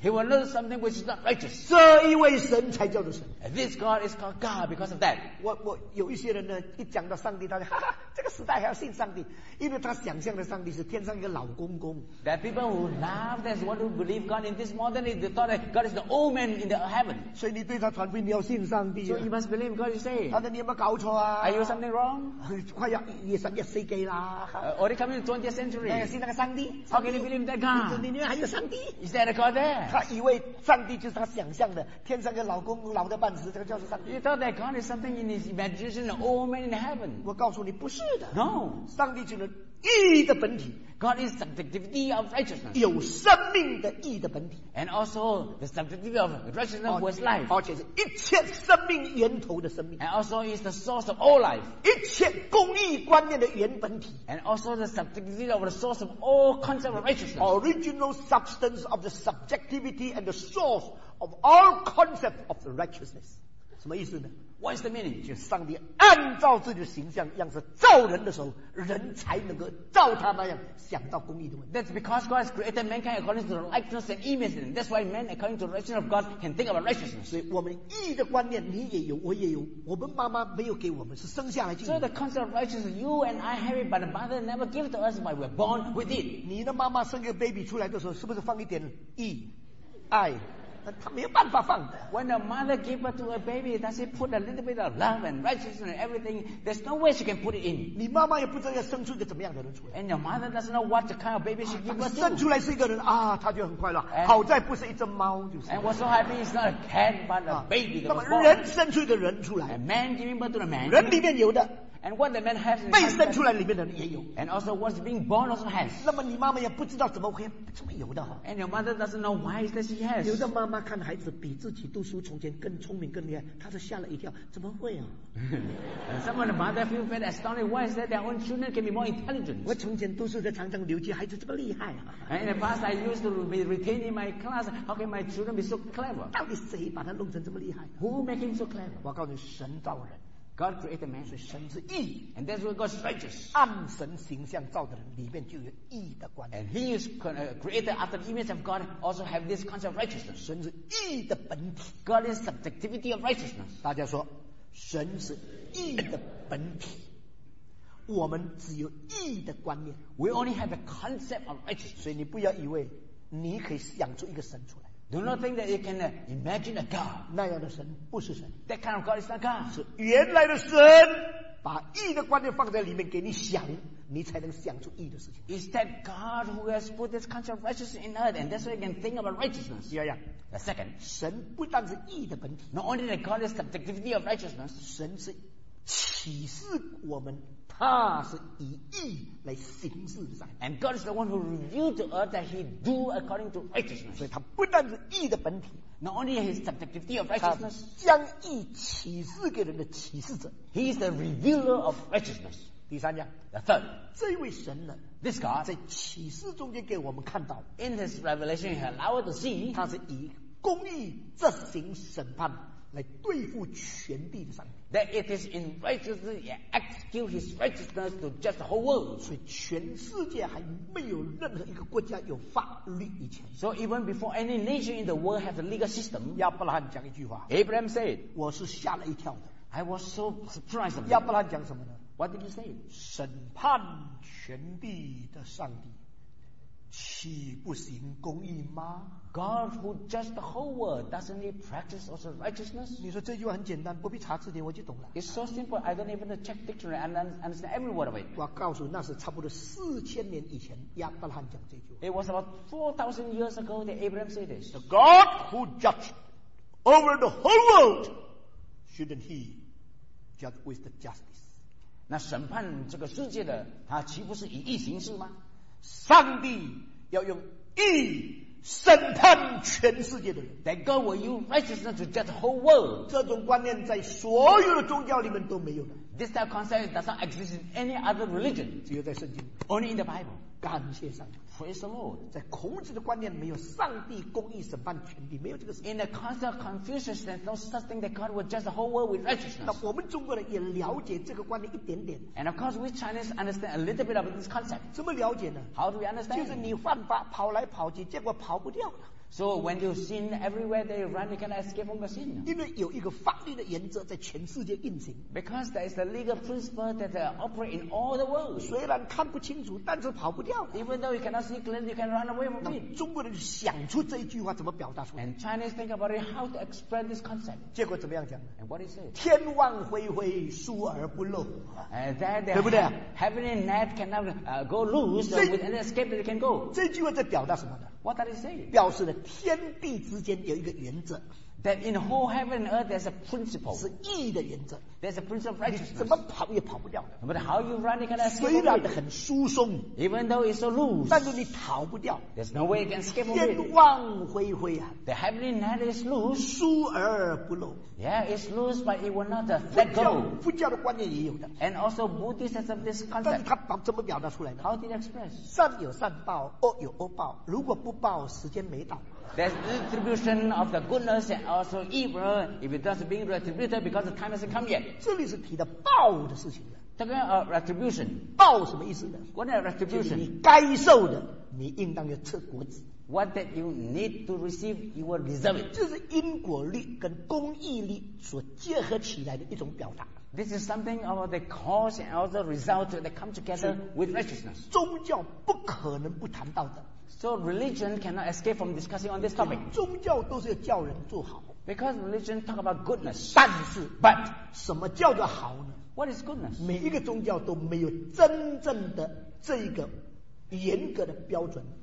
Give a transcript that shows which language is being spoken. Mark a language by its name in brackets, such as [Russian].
[English] He will learn something which is not righteous. [Chinese] 这一位神才叫做神。 [English] And this God is called God because of that. [Chinese] 我有一些人一讲到上帝他就哈哈这个时代还要信上帝因为他想象的上帝是天上一个老公公 [English] that people who love that want to believe God in this modern age they thought that God is the old man in the heaven [Chinese] 所以你对他传福音你要信上帝 [English] so you must believe God you say [Chinese] 他说你有没有搞错啊 [English] are you something wrong [Chinese] 快要也算一世纪啦 [English] are you coming to 20th century [Chinese] 要信那个上帝 [English] how can you believe that God [Chinese] 你里面还有上帝 [English] is there a God there [Chinese] 他以为上帝就是他想象的天上一个老公公老的半死这个叫做上帝 [English] you thought that God is something in his imagination old man in heaven [Chinese] 我告诉你不是是的。 [English] No. [Chinese] 上帝就是义的本体。 [English] God is subjectivity of righteousness. [Chinese] 有生命的义的本体。 [English] And also the subjectivity of righteousness was life. [Chinese] 而且是一切生命源头的生命。 [English] And also is the source of all life. [Chinese] 一切公义观念的原本体。 [English] And also the subjectivity of the source of all concept of righteousness. The original substance of the subjectivity and the source of all concept of righteousness. [Chinese] 什么意思呢？ [English] What is the meaning? [Chinese] 就上帝按照自己的形象样式造人的时候，人才能够照他那样想到公义的问题。 [English] That's because God has created mankind according to the likeness and image. That's why man according to the righteousness of God can think about righteousness. [Chinese] 所以我们义的观念你也有，我也有。我们妈妈没有给我们，是生下来就有。 [English] So the concept of righteousness you and I have it, but the mother never gave it to us, but we're born with it. [Chinese] 你的妈妈生个 baby 出来的时候，是不是放一点义、爱？他没有办法放的。 [English] When a mother gives birth to a baby, does she put a little bit of love and righteousness and everything? There's no way she can put it in. [Chinese] 你妈妈也不知道要生出一个怎么样的人出来。 [English] And your mother doesn't know what kind of baby she gives birth to. [Chinese] 生出来是一个人啊，他就很快乐。And, 好在不是一只猫就是。 [English] And what's so happy is not a cat but a baby. [Chinese] 那么人生出一个人出来。 [English] A man giving birth to a man. [Chinese] 人里面有的。 [English] And what the man has. [Chinese] 被生出来里面的人也有。 [English] And also what's being born also has. [Chinese] 那么你妈妈也不知道怎么会怎么有的。 [English] And your mother doesn't know why is that she has. [Chinese] 有的妈妈看孩子比自己读书从前更聪明更厉害，她就吓了一跳，怎么会啊？ [English] Some of the mother feel very astonished. Why is that their own children can be more intelligent? [Chinese] 我从前读书的常常留级，孩子这么厉害啊。 [English] And in the past I used to be retaining my class. How can my children be so clever? [Chinese] 到底谁把他弄成这么厉害？ [English] Who make him so clever? [Chinese] 我告诉你，神造人。 [English] God created man, [Chinese] 所以神是义 [English] ，and that's why God's righteous. [Chinese] 按神形象造的人里面就有义的观念。 [English] And he is created after the image of God, also have this concept of righteousness. [Chinese] 神是义的本体。 [English] God is subjectivity of righteousness. [Chinese] 大家说，神是义的本体，我们只有义的观念。 [English] We only have the concept of righteousness. [Chinese] 所以你不要以为你可以想出一个神出来。 [English] Do not think that you can imagine a God. [Chinese] 那样的神不是神。 [English] That kind of God is not God. [Chinese] 是原来的神把义的观念放在里面给你想，你才能想出义的事情。 [English] Is that God who has put this concept of righteousness in earth, and that's why you can think about righteousness? Yeah, yeah. The second, [Chinese] 神不但是义的本体。 [English] Not only that God is subjectivity of righteousness, [Chinese] 神是启示我们。他是以义来行事上。 [English] And God is the one who revealed to us that he do according to righteousness. [Chinese] 所以他不但是义的本体。 [English] Not only his subjectivity of righteousness. [Chinese] 他将义启示给人的启示者。 [English] He is the revealer of righteousness. [Chinese] 第三样。 [English] The third. [Chinese] 这位神呢。 [English] This God. [Chinese] 在启示中间给我们看到。 [English] In his revelation he allowed to see. [Chinese] 他是以公义执行审判。来对付全地的上帝。 [English] That it is in righteousness, he execute his righteousness to judge the whole world. [Chinese] 所以全世界还没有任何一个国家有法律以前。 [English] So even before any nation in the world has a legal system. [Chinese] 亚伯拉罕讲一句话。 [English] Abraham said, [Chinese] 我是吓了一跳的。 [English] I was so surprised. [Chinese] 亚伯拉罕讲什么呢？ [English] What did he say? [Chinese] 审判全地的上帝。岂不行公义吗？ [English] God who judges the whole world, doesn't he practice also righteousness? [Chinese] 你说这句话很简单，不必查字典我就懂了。 [English] It's so simple, I don't even check dictionary and understand every word of it. [Chinese] 我告诉你，那是差不多四千年以前亚伯拉罕讲这句话。 [English] It was about 4,000 years ago that Abraham said this. The God who judged over the whole world, shouldn't he judge with the justice? [Chinese] 那审判这个世界的，他岂不是以义行事吗？上帝要用义审判全世界的人。 [English] That God will use righteousness to judge the whole world. [Chinese] 这种观念在所有的宗教里面都没有的。 [English] This type of concept does not exist in any other religion. [Chinese] 只有在圣经。 [English] Only in the Bible. [Chinese] 感谢上帝。 [English] Praise the Lord. [Chinese] 在孔子的观念没有上帝公义审判全地，没有这个事。 [English] In the concept of Confucius, there's no such thing that God will judge the whole world with righteousness. [Chinese] 那我们中国人也了解这个观念一点点。 [English] And of course, we Chinese understand a little bit of this concept. [Chinese] 怎么了解呢？ [English] How do we understand? [Chinese] 就是你犯法跑来跑去，结果跑不掉了。 [English] So when you sin everywhere they run, you cannot escape from the sin. [Chinese] 因为有一个法律的原则在全世界运行。 [English] Because there is a legal principle that operates in all the world. [Chinese] 虽然看不清楚，但是跑不掉。 [English] Even though you cannot see clearly, you can run away from it. [Chinese] 中国人想出这一句话怎么表达出来 [English] ？And Chinese think about it, how to explain this concept. [Chinese] 结果怎么样讲 [English] ？And what is it? [Chinese] 天网恢恢，疏而不漏。对不对 [English] ？Heavenly net cannot go loose with any escape that it can go. [Chinese] 这句话在表达什么呢？ [English] What does it say? [Chinese] 表示了天地之间有一个原则。 [English] That in whole heaven and earth there's a principle. [Chinese] 是义的原则。 [English] There's a principle of righteousness. [Chinese] 怎么跑也跑不掉的。 [English] But how you run, you can't escape. [Chinese] 虽然很疏松。 [English] Even though it's so loose. [Chinese] 但是你逃不掉。 [English] There's no way you can escape. [Chinese] 天网恢恢啊。 [English] The heavenly net is loose. [Chinese] 疏而不漏。 [English] Yeah, it's loose, but it will not let go. [Chinese] 佛教的观念也有的。 [English] And also Buddhist has this concept. [Chinese] 但是他怎么表达出来的？ [English] How did he express? [Chinese] 善有善报，恶有恶报。如果不报，时间没到。 [English] There's retribution of the goodness and also evil if it doesn't being retributed because the time hasn't come yet. [Chinese] 这里是提的报的事情的。这个retribution 报什么意思呢？ [English] What is retribution? [Chinese] 你该受的，你应当要吃果子。 [English] What that you need to receive, you will deserve it. [Chinese] 这是因果律跟公义律所结合起来的一种表达。 [English] This is something about the cause and also result that come together with righteousness. [Chinese] 宗教不可能不谈到的。 [English] So religion cannot escape from discussing on this topic. [Chinese] 宗教都是要叫人做好。 [English] Because religion talk about goodness. [Chinese] 但是 [English] ，but [Chinese] 什么叫做好呢 [English] ？What is goodness? [Chinese] 每一个宗教都没有真正的这个严格的标准。